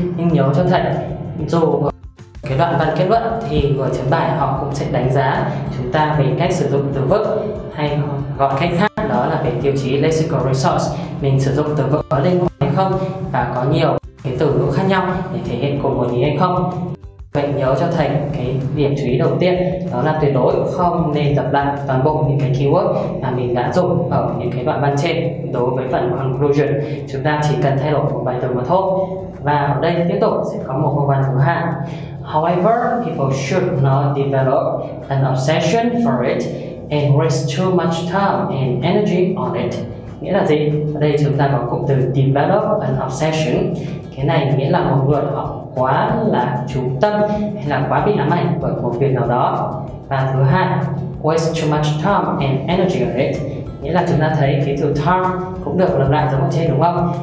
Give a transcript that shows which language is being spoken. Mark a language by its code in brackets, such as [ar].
[vi] Nhưng nhớ cho thầy, dù cái đoạn văn kết luận thì người chấm bài họ cũng sẽ đánh giá chúng ta về cách sử dụng từ vựng, hay gọi cách khác đó là về tiêu chí lexical resource, mình sử dụng từ vựng có linh hoạt hay không và có nhiều cái từ ngữ khác nhau để thể hiện cùng một ý hay không. Vậy nhớ cho thầy cái điểm chú ý đầu tiên, đó là tuyệt đối không nên tập lại toàn bộ những cái keyword mà mình đã dùng ở những cái đoạn văn trên. Đối với phần conclusion, chúng ta chỉ cần thay đổi một vài từ mà thôi. Và ở đây tiếp tục sẽ có một câu văn thứ hai. [en] However, people should not develop an obsession for it and waste too much time and energy on it. [vi] Nghĩa là gì? Ở đây chúng ta có cụm từ [en] develop an obsession. [vi] Cái này nghĩa là một người họ quá là chú tâm hay là quá bị ám ảnh bởi một việc nào đó. Và thứ hai, [en] waste too much time and energy on it, [vi] nghĩa là chúng ta thấy cái từ time cũng được lặp lại giống ở trên đúng không?